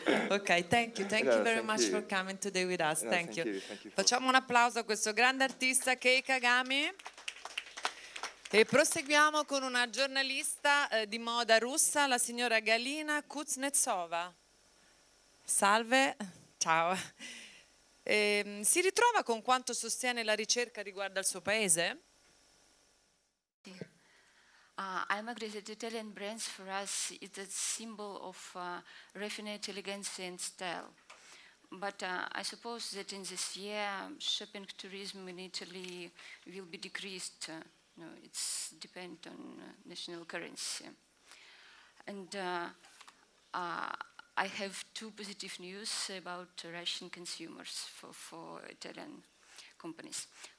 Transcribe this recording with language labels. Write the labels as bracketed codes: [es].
[en] Okay, thank you very much for coming today with us. Thank you. [it] Facciamo un applauso a questo grande artista Kei Kagami. E proseguiamo con una giornalista di moda russa, la signora Galina Kuznetsova. Salve, ciao. Si ritrova con quanto sostiene la ricerca riguardo al suo paese? [en] I'm agree that Italian brands for us is a symbol of refined elegance and style. But I suppose that in this year shopping tourism in Italy will be decreased. No, it's depend on national currency. And I have two positive news about Russian consumers for Italian companies.